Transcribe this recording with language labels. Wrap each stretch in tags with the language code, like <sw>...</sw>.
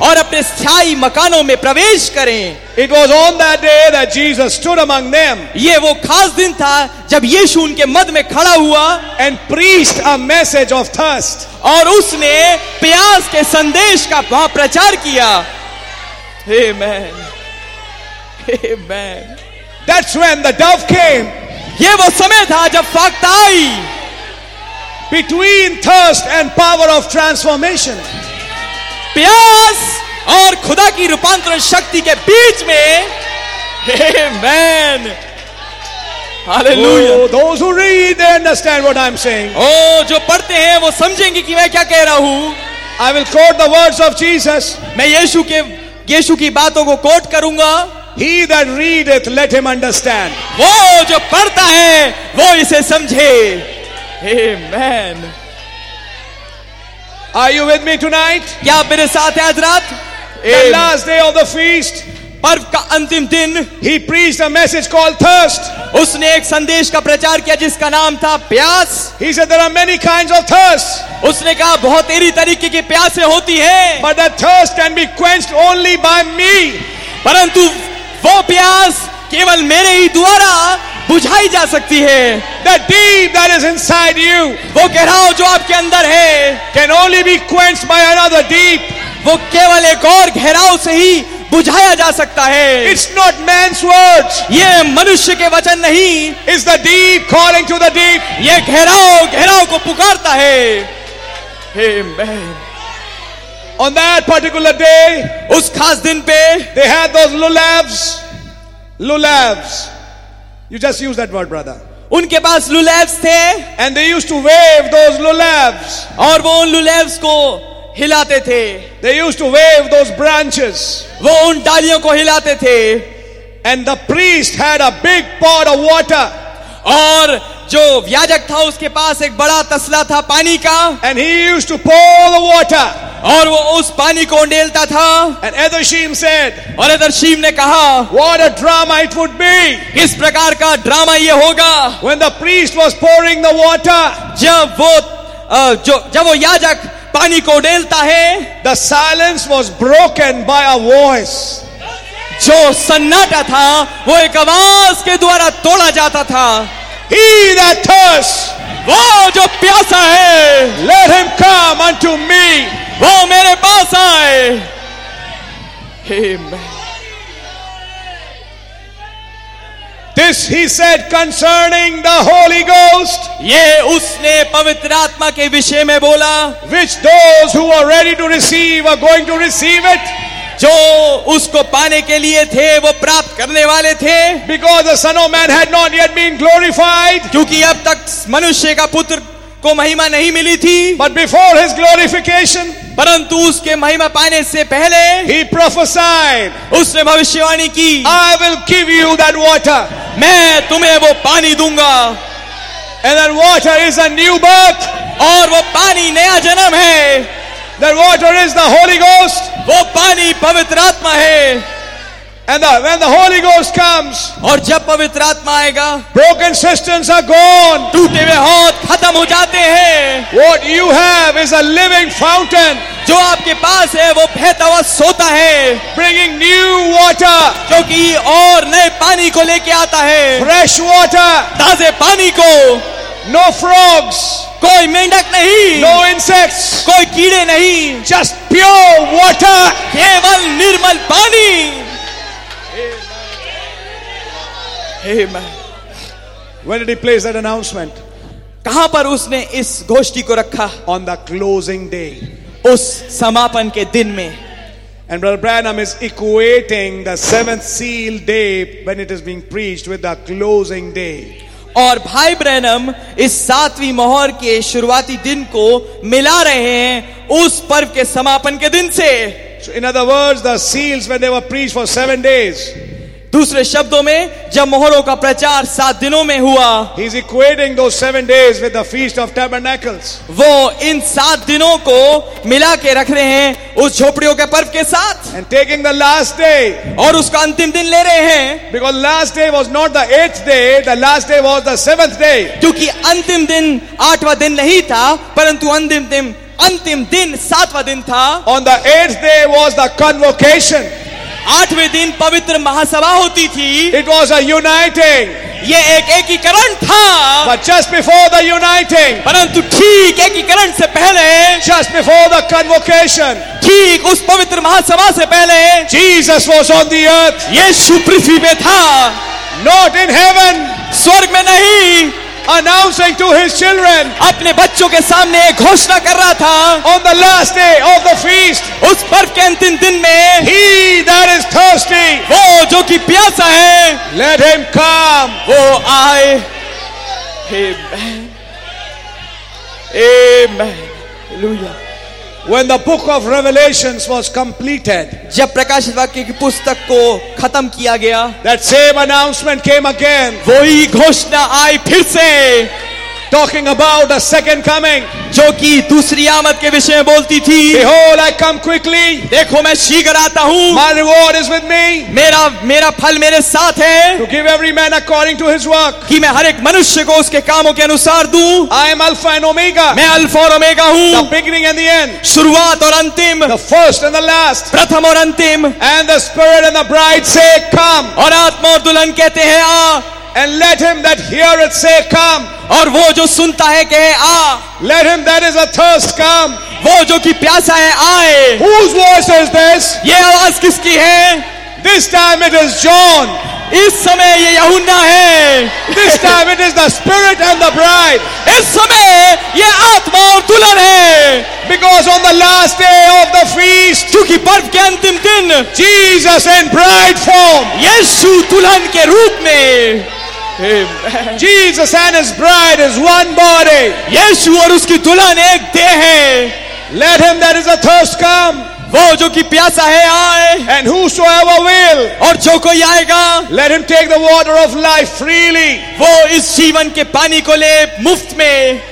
<hi>और अपने स्थायी मकानों में प्रवेश करें.</hi> <en>It was on that day that Jesus stood among them.</en> <hi>ये वो खास दिन था जब यीशु उनके मध्य में खड़ा हुआ.</hi> <en>And preached a message of thirst.</en> <hi>और उसने प्यास के संदेश का वहां प्रचार किया.</hi> <en>Amen. Amen. That's when the dove came.</en> <hi>ये वो समय था जब फाख्ता आई.</hi> <en>Between thirst and power of transformation.</en> <hi>प्यास और खुदा की रूपांतरण शक्ति के बीच में.</hi> <en>Amen. Hallelujah. Oh, those who read, they understand what I'm saying.</en> <hi>Oh, जो पढ़ते हैं वो समझेंगे कि मैं क्या कह रहा हूं.</hi> <en>I will quote the words of Jesus.</en> <hi>मैं यीशु की बातों को कोट करूंगा.</hi> <en>He that readeth, let him understand.</en> <hi>वो जो पढ़ता है वो इसे समझे.</hi> <en>Amen. Are you with me tonight?</en> <hi>क्या आप मेरे साथ हैं आज रात?</hi> <en>The last day of the feast.</en> <hi>पर्व का अंतिम दिन.</hi> <en>He preached a message called thirst.</en> <hi>उसने एक संदेश का प्रचार किया जिसका नाम था प्यास.</hi> <en>He said there are many kinds of thirst.</en> <hi>उसने कहा बहुत तेरी तरीके की प्यासें होती हैं.</hi> <en>But that thirst can be quenched only by me.</en> <hi>परंतु वो प्यास केवल मेरे ही द्वारा बुझाई जा सकती है.</hi> <en>The deep that is inside you.</en> <hi>वो कह रहा हूं जो आपके अंदर है.</hi> <en>Can only be quenched by another deep.</en> <hi>वो केवल एक और गहराव से ही बुझाया जा सकता है.</hi> <en>It's not man's words.</en> <hi>ये मनुष्य के वचन नहीं.</hi> <en>It's the deep calling to the deep.</en> <hi>ये गहराव को पुकारता है. Amen.</hi> <en>On that particular day,</en> <hi>उस खास दिन पे,</hi> <en>they had those lulavs. You just use that word, brother.</en> <hi>उनके पास lulavs थे,</hi> <en>and they used to wave those lulavs.</en> <hi>और वो उन lulavs को हिलाते थे.</hi> <en>They used to wave those branches.</en> <hi>वो उन डालियों को हिलाते थे.</hi> <en>And the priest had a big pot of water.</en> <hi>और जो याजक था उसके पास एक बड़ा तसला था पानी का.</hi> <en>And he used to pour the water.</en> <hi>और वो उस पानी को उंडेलता था.</hi> <en>And Ethershim said,</en> <hi>और Ethershim ने कहा,</hi> <en>What a drama it would be.</en> <hi>किस प्रकार का ड्रामा ये होगा.</hi> <en>When the priest was pouring the water.</en> <hi>जब वो याजक पानी को उंडेलता है.</hi> <en>The silence was broken by a voice.</en> <hi>जो सन्नाटा था वो एक आवाज के द्वारा तोड़ा जाता था.</hi> <en>He that thirsts.</en> <hi>वो जो प्यासा है.</hi> <en>Let him come unto me.</en> <hi>वो मेरे पास आए.</hi> <en>This he said concerning the Holy Ghost.</en> <hi>ये उसने पवित्र आत्मा के विषय में बोला.</hi> <en>Which those who are ready to receive are going to receive it.</en> <hi>जो उसको पाने के लिए थे वो प्राप्त करने वाले थे.</hi> <en>Because the Son of Man had not yet been glorified.</en> <hi>क्योंकि अब तक मनुष्य का पुत्र को महिमा नहीं मिली थी.</hi> <en>But before his glorification,</en> <hi>परंतु उसके महिमा पाने से पहले,</hi> <en>he prophesied,</en> <hi>उसने भविष्यवाणी की,</hi> <en>I will give you that water.</en> <hi>मैं तुम्हें वो पानी दूंगा.</hi> <en>And that water is a new birth.</en> <hi>और वो पानी नया जन्म है.</hi> <en>That water is the Holy Ghost.</en> <hi>वो पानी पवित्र आत्मा है.</hi> <en>And the, when the Holy Ghost comes,</en> <hi>और जब पवित्र आत्मा आएगा,</hi> <en>broken cisterns are gone.</en> <hi>टूटे हुए हौद खत्म हो जाते हैं.</hi> <en>What you have is a living fountain.</en> <hi>जो आपके पास है वो बहता हुआ सोता है.</hi> <en>Bringing new water.</en> <hi>जो कि और नए पानी को लेके आता है.</hi> <en>Fresh water.</en> <hi>ताजे पानी को.</hi> <en>No frogs.</en> <hi>कोई मेंढक नहीं.</hi> <en>No insects.</en> <hi>कोई कीड़े नहीं.</hi> <en>Just pure water.</en> <hi>केवल निर्मल पानी.</hi> <en>Amen. Where did he place that announcement?</en> <hi>कहां पर उसने इस घोष्टी को रखा?</hi> <en>On the closing day.</en> <hi>उस समापन के दिन में.</hi> <en>And Brother Branham is equating the seventh seal day when it is being preached with the closing day.</en> <hi>और भाई ब्रैनम इस सातवीं मोहर के शुरुआती दिन को मिला रहे हैं उस पर्व के समापन के दिन से.</hi> <en>So in other words, the seals when they were preached for 7 days.</en> <hi>दूसरे शब्दों में जब मोहरों का प्रचार 7 दिनों में हुआ,</hi> <en>he is equating those 7 days with the feast of tabernacles.</en> <hi>वो इन 7 दिनों को मिला के रख रहे हैं उस झोपड़ियों के पर्व के साथ.</hi> <en>And taking the last day,</en> <hi>और उसका अंतिम दिन ले रहे हैं.</hi> <en>Because last day was not the eighth day, the last day was the seventh day.</en> <hi>क्योंकि अंतिम दिन 8वां दिन नहीं था, परंतु अंतिम दिन 7वां दिन था.</hi> <en>On the eighth day was the convocation.</en> <hi>8वें दिन पवित्र महासभा होती थी.</hi> <en>It was a uniting.</en> <hi>ये एक एकीकरण था.</hi> <en>But just before the uniting,</en> <hi>परंतु ठीक एकीकरण से पहले,</hi> <en>just before the convocation,</en> <hi>ठीक उस पवित्र महासभा से पहले,</hi> <en>Jesus was on the earth.</en> <hi>यीशु पृथ्वी पे था.</hi> <en>Not in heaven.</en> <hi>स्वर्ग में नहीं.</hi> <en>Announcing to his children,</en> <hi>अपने बच्चों के सामने एक घोषणा कर रहा था.</hi> <en>On the last day of the feast,</en> <hi>उस पर्व के अंतिम दिन में,</hi> <en>he that is thirsty,</en> <hi>वो जो कि प्यासा है,</hi> <en>let him come,</en> <hi>वो आए. Amen. Amen. Hallelujah.</hi> <en>When the book of Revelations was completed,</en> <hi>जब प्रकाशित वाक्य की पुस्तक को खत्म किया गया,</hi> <en>that same announcement came again,</en> <hi>वही घोषणा आई फिर से,</hi> <en>talking about the second coming,</en> <hi>जो कि दूसरी आमद के विषय में बोलती थी.</hi> <en>Behold, I come quickly,</en> <hi>देखो मैं शीघ्र आता हूँ.</hi> <en>My reward is with me,</en> <hi>मेरा फल मेरे साथ है.</hi> <en>To give every man according to his work,</en> <hi>कि मैं हर एक मनुष्य को उसके कामों के अनुसार दूँ.</hi> <en>I am Alpha and Omega,</en> <hi>मैं अल्फा और ओमेगा हूँ.</hi> <en>The beginning and the end,</en> <hi>शुरुआत और अंतिम.</hi> <en>The first and the last,</en> <hi>प्रथम और अंतिम.</hi> <en>And the Spirit and the Bride say, come,</en> <hi>और आत्मा और दुल्हन कहते हैं आ.</hi> <en>And let him that heareth say, come.</en> <hi>और वो जो सुनता है कहे आ.</hi> <en>Let him that is a thirst come.</en> <hi>वो जो कि प्यासा है आए.</hi> <en>Whose voice is this?</en> <hi>ये आवाज किसकी है?</hi> <en>This time it is John.</en> <hi>इस समय ये यहूना है.</hi> <en>This time it is the Spirit and the Bride.</en> <hi>इस समय ये आत्मा और दुल्हन है.</hi> <en>Because on the last day of the feast,</en> <hi>क्योंकि पर्व के अंतिम दिन,</hi> <en>Jesus in bride form,</en> <hi>यीशु दुल्हन के रूप में.</hi> <en>Amen. Jesus and his bride is one body.</en> <hi>यीशु और उसकी दुल्हन एक देह है.</hi> <en>Let him that is a thirst come.</en> <hi>वो जो कि प्यासा है आए.</hi> <en>And whosoever will,</en> <hi>और जो कोई आएगा,</hi> <en>let him take the water of life freely.</en> <hi>वो इस जीवन के पानी को ले मुफ्त में.</hi>